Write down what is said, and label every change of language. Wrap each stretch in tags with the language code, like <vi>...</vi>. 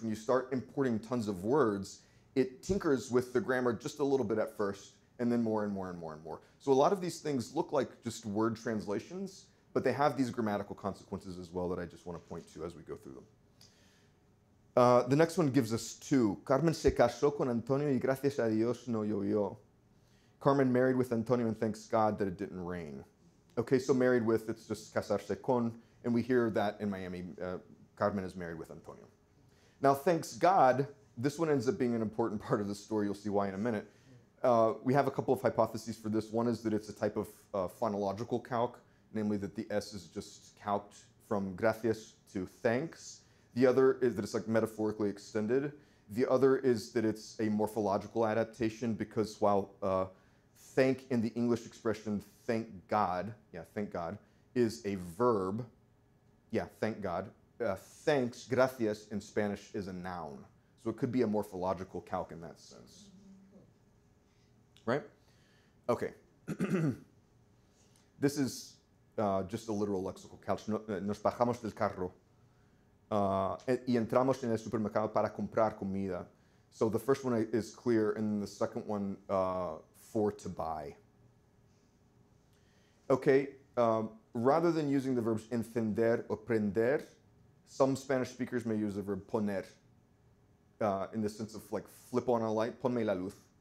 <en>When you start importing tons of words, it tinkers with the grammar just a little bit at first, and then more and more and more and more. So a lot of these things look like just word translations, but they have these grammatical consequences as well that I just want to point to as we go through them. The next one gives us two.</en> <es>Carmen se casó con Antonio y gracias a Dios no llovió.</es> <en>Carmen married with Antonio and thanks God that it didn't rain. Okay, so married with, it's just casarse con, and we hear that in Miami. Carmen is married with Antonio. Now, thanks God, this one ends up being an important part of the story. You'll see why in a minute. We have a couple of hypotheses for this. One is that it's a type of phonological calque, namely that the S is just calqued from gracias to thanks. The other is that it's like metaphorically extended. The other is that it's a morphological adaptation because while thank in the English expression, thank God, is a verb, thanks, gracias in Spanish is a noun. So it could be a morphological calque in that sense. Right? Okay. This is just a literal lexical calque.</en> <es>Nos bajamos del carro. Y entramos en el supermercado para comprar comida.</es> <en>So the first one is clear, and the second one for to buy. Okay, rather than using the verbs encender or prender, some Spanish speakers may use the verb poner in the sense of like flip on a light,</en> <es>ponme la luz.</es>